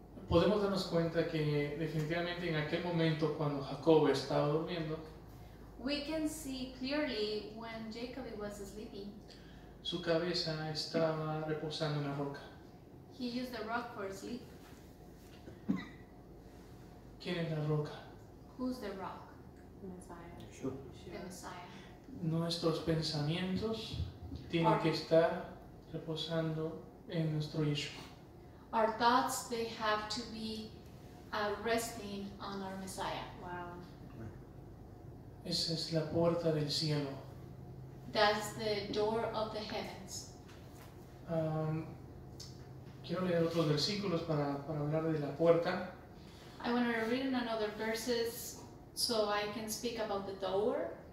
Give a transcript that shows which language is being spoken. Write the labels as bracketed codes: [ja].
[es] Podemos darnos cuenta que definitivamente en aquel momento cuando Jacob estaba durmiendo, [en] we can see clearly when Jacob was sleeping. [es] Su cabeza estaba reposando en la roca. [en] He used the rock for sleep. [es] ¿Quién es la roca? [en] Who's the rock? Messiah. Sure. The Messiah. [es] Nuestros pensamientos tienen que estar reposando en nuestro Yeshua. [en] Our thoughts, they have to be resting on our Messiah. Wow. [es] Esa es la puerta del cielo. [en] That's the door of the heavens. [es] Quiero leer otros versículos para hablar de la puerta. [en] I want to read another verses so I can speak about the door.